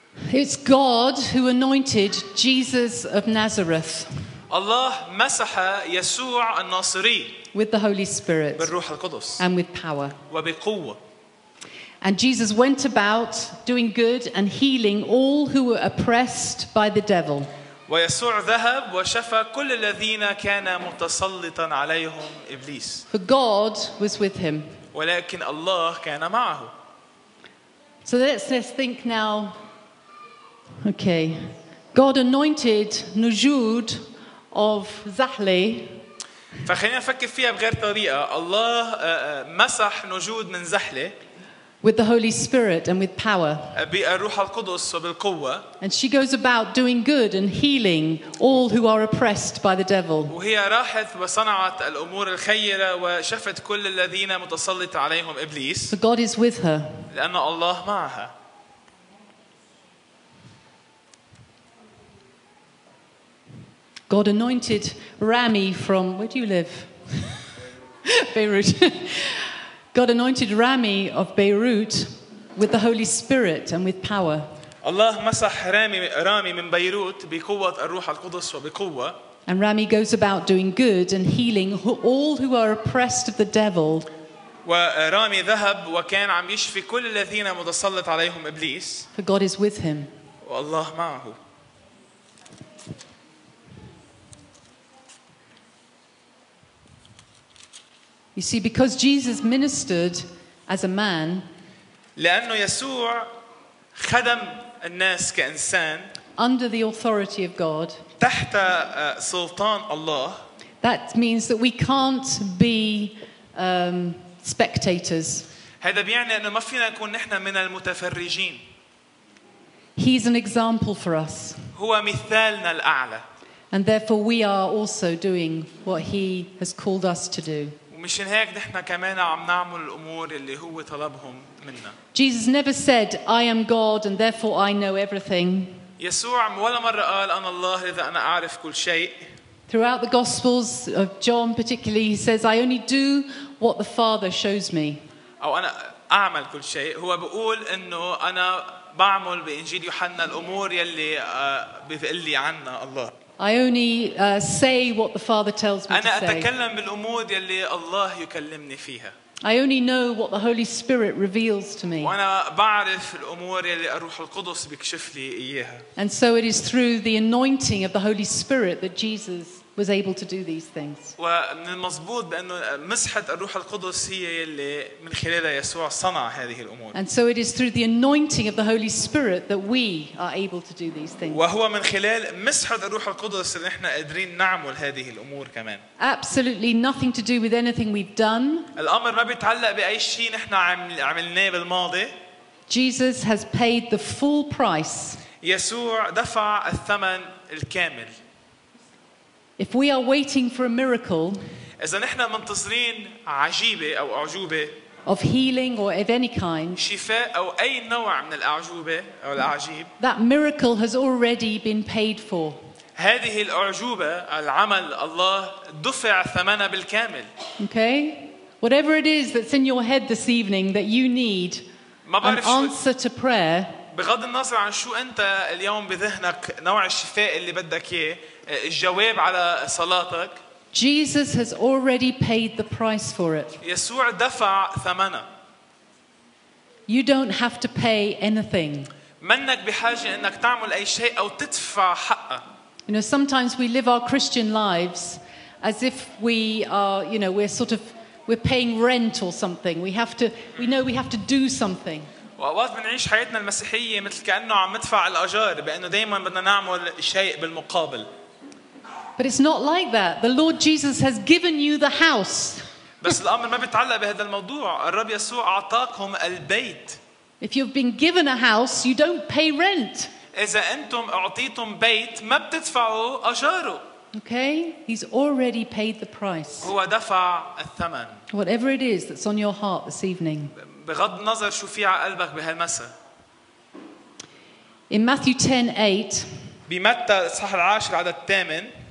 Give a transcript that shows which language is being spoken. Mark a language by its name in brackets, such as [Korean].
[English] It's God who anointed Jesus of Nazareth. [Arabic] الله مسح يسوع الناصري. [English] With the Holy Spirit. [Arabic] بالروح القدس. [English] And with power. [Arabic] وبقوة. [English] And Jesus went about doing good and healing all who were oppressed by the devil. [Arabic] ويسوع ذهب وشفى كل الذين كان متسلطا عليهم إبليس. [English] For God was with him. [Arabic] ولكن الله كان معه. [English] So let's think now. Okay, God anointed Nujud of Zahle. [Arabic] فخلينا نفكر فيها بغير طريقة. الله مسح نجود من زحلة. [English] With the Holy Spirit and with power. [Arabic] بالروح القدس وبالقوة. [English] And she goes about doing good and healing all who are oppressed by the devil. [Arabic] وهي راحت وصنعت الأمور الخيرة وشفت كل الذين متسلط عليهم إبليس. [English] For God is with her. [Arabic] لأن الله معها. [English] God anointed Rami from, where do you live? Beirut. God anointed Rami of Beirut with the Holy Spirit and with power. [Arabic] الله مسح رامي من بيروت بقوة الروح القدس وبقوة. [English] And Rami goes about doing good and healing all who are oppressed of the devil. [Arabic] ورامي ذهب وكان عم يشفي كل الذين متسلط عليهم إبليس. [English] For God is with him. [Arabic] والله معه. [English] You see, because Jesus ministered as a man, [Arabic] لأنه يسوع خدم الناس كإنسان, [English] under the authority of God, [Arabic] تحت سلطان الله, [English] that means that we can't be spectators. [Arabic] هذا بيعني إنه ما فينا نكون نحن من المتفرجين. [English] He's an example for us. [Arabic] هو مثالنا الأعلى. [English] And therefore, we are also doing what he has called us to do. [Arabic] مشان هيك نحن كمان عم نعمل الأمور اللي هو طلبهم منا. [English] Jesus never said, "I am God, and therefore I know everything." [Arabic] يسوع ولا مرة قال أنا الله لذا أنا أعرف كل شيء. [English] Throughout the Gospels of John, particularly, he says, "I only do what the Father shows me." [Arabic] أو أنا أعمل كل شيء. هو بقول إنه أنا بعمل بإنجيل يوحنا الأمور يلي بيقول لي عنها الله. [English] I only say what the Father tells me to say. [Arabic] أنا أتكلم بالأمور يلي الله يكلمني فيها. [English] I only know what the Holy Spirit reveals to me. [Arabic] وأنا بعرف الأمور يلي الروح القدس بيكشف لي إياها. [English] And so it is through the anointing of the Holy Spirit that Jesus was able to do these things. [Arabic] ومن المزبوط بأنه مسحة الروح القدس هي اللي من خلالها يسوع صنع هذه الأمور. [English] And so it is through the anointing of the Holy Spirit that we are able to do these things. [Arabic] وهو من خلال مسحة الروح القدس اللي احنا قادرين نعمل هذه الأمور كمان. [English] Absolutely nothing to do with anything we've done. [Arabic] الأمر ما بيتعلق بأي شيء نحن عملناه بالماضي. [English] Jesus has paid the full price. [Arabic] يسوع دفع الثمن الكامل. [English] If we are waiting for a miracle, [Arabic] إذا نحن منتظرين عجيبة أو أعجوبة, [English] of healing or of any kind, [Arabic] شفاء أو أي نوع من الأعجوبة أو الأعجيب, [English] that miracle has already been paid for. [Arabic] هذه الأعجوبة العمل الله دفع ثمنها بالكامل. [English] Okay, whatever it is that's in your head this evening that you need an answer to prayer. [Arabic] بغض النظر عن شو أنت اليوم بذهنك نوع الشفاء اللي بدك إياه. الجواب على صلاتك. [English] Jesus has already paid the price for it. [Arabic] يسوع دفع ثمنه. [English] You don't have to pay anything. [Arabic] منك بحاجة إنك تعمل أي شيء أو تدفع حقه. [English] You know, sometimes we live our Christian lives as if we are, you know, we're paying rent or something. We know we have to do something. [Arabic] وأوقات بنعيش حياتنا المسيحية مثل كأنه عم ندفع الأجار بأنه دائما بدنا نعمل شيء بالمقابل. [English] But it's not like that. The Lord Jesus has given you the house. [Arabic] بس الأمر ما بيتعلق بهذا الموضوع. الرب يسوع أعطاكم البيت. [English] If you've been given a house, you don't pay rent. [Arabic] إذا أنتم أعطيتم بيت ما بتدفعوا أجاره. [English] Okay, he's already paid the price. [Arabic] هو دفع الثمن. [English] Whatever it is that's on your heart this evening. [Arabic] بغض النظر شو في على قلبك بهالمساء. [English] In Matthew 10:8. [Arabic] بمتى الإصحاح العاشر عدد الثامن.